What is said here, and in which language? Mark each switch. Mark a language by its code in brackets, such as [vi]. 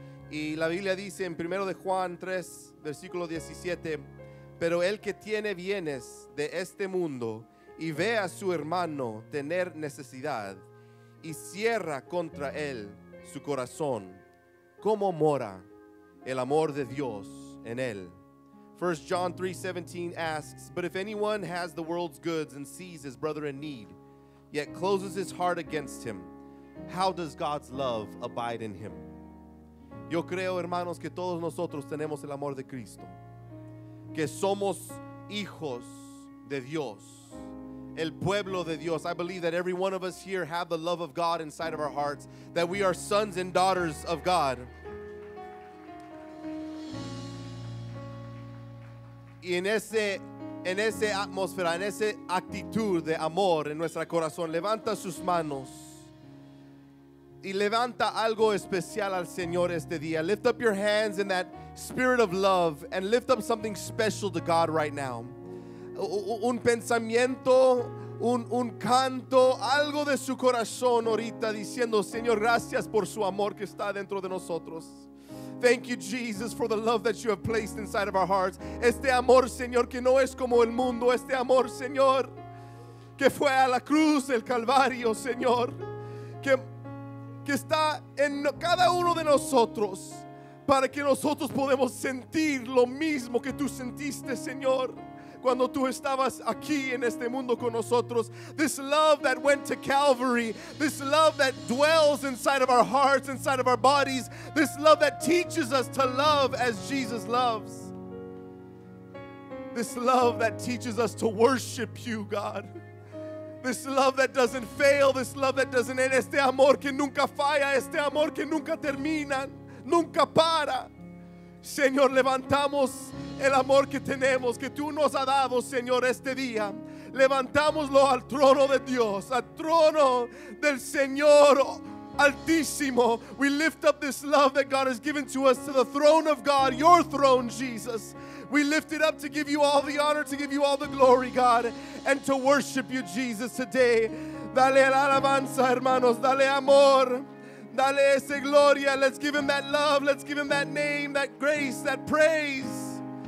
[es] Y la Biblia dice en 1 de Juan 3, versículo 17, pero el que tiene bienes de este mundo y ve a su hermano tener necesidad y cierra contra él su corazón, ¿cómo mora el amor de Dios en él? [en] 1 John 3:17 asks, but if anyone has the world's goods and sees his brother in need, yet closes his heart against him, how does God's love abide in him? [es] Yo creo, hermanos, que todos nosotros tenemos el amor de Cristo, que somos hijos de Dios, el pueblo de Dios. [en] I believe that every one of us here have the love of God inside of our hearts, that we are sons and daughters of God. [es] Y en ese atmósfera, en ese actitud de amor en nuestro corazón, levanta sus manos y levanta algo especial al Señor este día. [en] Lift up your hands in that spirit of love and lift up something special to God right now. [es] Un pensamiento, un canto, algo de su corazón ahorita diciendo, Señor, gracias por su amor que está dentro de nosotros. [en] Thank you, Jesus, for the love that you have placed inside of our hearts. [es] Este amor, Señor, que no es como el mundo. Este amor, Señor, que fue a la cruz, el Calvario, Señor, que está en cada uno de nosotros para que nosotros podamos sentir lo mismo que tú sentiste, Señor, cuando tú estabas aquí en este mundo con nosotros. [en] This love that went to Calvary, this love that dwells inside of our hearts, inside of our bodies, this love that teaches us to love as Jesus loves, this love that teaches us to worship you, God, this love that doesn't fail, this love that doesn't end, [es] este amor que nunca falla, este amor que nunca termina, nunca para. Señor, levantamos el amor que tenemos, que tú nos has dado, Señor, este día. Levantámoslo al trono de Dios, al trono del Señor Altísimo. [en] We lift up this love that God has given to us to the throne of God, your throne, Jesus. We lift it up to give you all the honor, to give you all the glory, God, and to worship you, Jesus, today. [es] Dale alabanza, hermanos, dale amor. Dale ese gloria. [en] Let's give him that love. Let's give him that name, that grace, that praise.